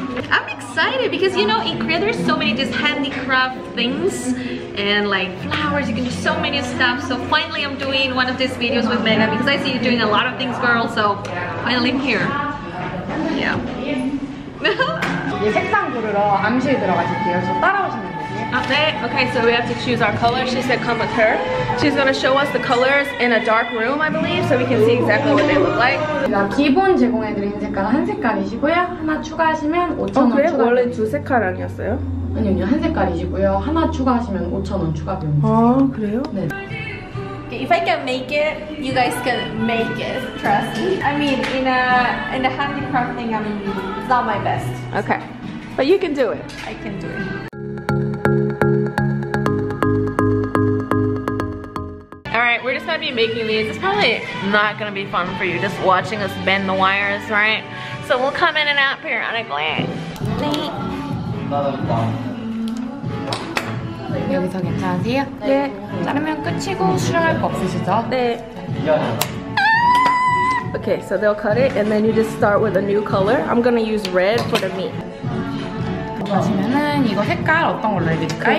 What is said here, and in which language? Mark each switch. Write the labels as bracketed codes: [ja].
[en] I'm excited because you know in Korea there's so many just handicraft things and like flowers, you can do so many stuff. So finally I'm doing one of these videos with Mena because I see you doing a lot of things, girl. So finally I'm here. Yeah. [ko] 색상 고르러 암실 들어가실게요. 저 따라오시면 [en] Okay, so we have to choose our color. She said come with her. She's gonna show us the colors in a dark room, I believe, so we can see exactly what they look like. [ko] 제가 기본 제공해드린 색깔은 한 색깔이시고요. 하나 추가하시면 5,000원 추가. 그게 원래 두 색깔 아니었어요? 아니요, 한 색깔이시고요. 하나 추가하시면 5,000원 추가 비용. 아, 그래요? 네. [en] Okay, if I can make it, you guys can make it, trust me. I mean, in a handicraft thing, I mean, it's not my best. Okay, but you can do it. I can do it. We're just gonna be making these. It's probably not gonna be fun for you just watching us bend the wires, right? So we'll come in and out periodically. Mm-hmm. [ko] Mm-hmm. 여기서 괜찮으세요? 네. 네. 자르면 끝이고 수정할 거 없으시죠? 네. [en] Okay, so they'll cut it and then you just start with a new color. I'm gonna use red for the meat. [ko] 그러시면은 이거 색깔 어떤 걸로 해드릴까요?